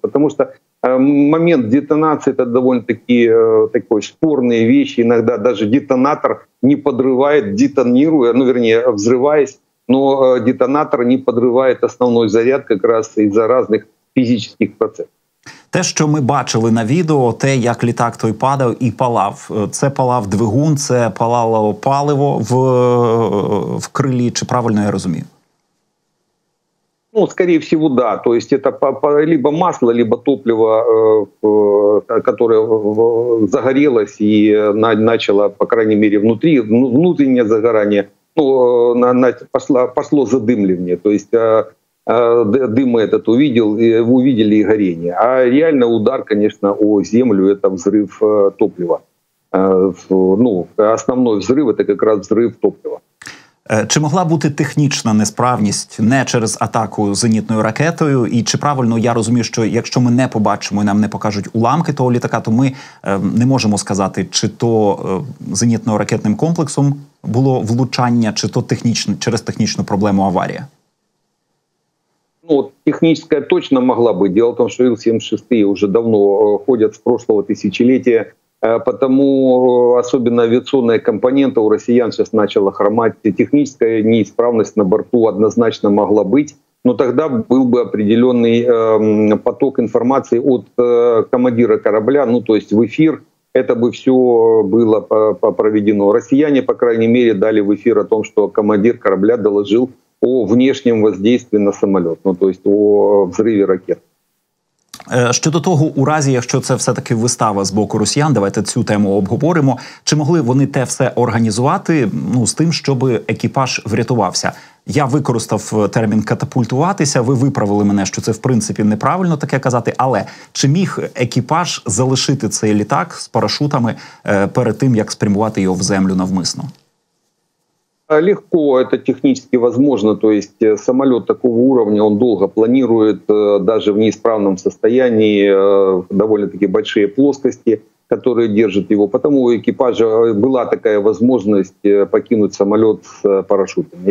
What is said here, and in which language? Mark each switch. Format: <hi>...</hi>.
<ru>Потому что момент детонации — это довольно-таки такой спорные вещи. Иногда даже детонатор не подрывает, детонируя, ну, вернее, взрываясь, но детонатор не подрывает основной заряд как раз из-за разных физических процессов.</ru> <uk>Те, що ми бачили на відео, те, як літак той падав і палав. Це палав двигун, це палало паливо в крилі, чи правильно я розумію? Ну, скоріше всього, да. Тобто це</uk> <ru>либо масло, либо топливо,</ru> <uk>яке загорілося і почало, по крайній мірі, внутрі, внутрішнє загорання, ну, пішло задимлення.</uk> <ru>Тобто дыма этот увидел, увидели и горение. А реально удар, конечно, о землю — это взрыв топлива. Ну, основной взрыв — это как раз взрыв топлива.</ru> <uk>Чи могла бути технічна несправність не через атаку зенітною ракетою? І чи правильно я розумію, що якщо ми не побачимо і нам не покажуть уламки того літака, то ми не можемо сказати, чи то зенітно-ракетним комплексом було влучання, чи то через технічну проблему аварія?</uk> <ru>Ну, техническая точно могла бы. Дело в том, что Ил-76 уже давно ходят с прошлого тысячелетия, потому особенно авиационная компонента у россиян сейчас начала хромать. Техническая неисправность на борту однозначно могла быть, но тогда был бы определенный поток информации от командира корабля, ну, то есть в эфир, это бы все было проведено. Россияне, по крайней мере, дали в эфир о том, что командир корабля доложил о внешнем воздействии на самолет, ну, то есть о взрыве ракет.</ru> <uk>Щодо того, у разі, якщо це все-таки вистава з боку росіян, давайте цю тему обговоримо, чи могли вони те все організувати, ну, з тим, щоб екіпаж врятувався? Я використав термін «катапультуватися», ви виправили мене, що це, в принципі, неправильно таке казати, але чи міг екіпаж залишити цей літак з парашутами перед тим, як спрямувати його в землю навмисно?</uk> <ru>Легко, это технически возможно, то есть самолет такого уровня, он долго планирует, даже в неисправном состоянии, довольно-таки большие плоскости, которые держат его, потому у экипажа была такая возможность покинуть самолет с парашютами.</ru>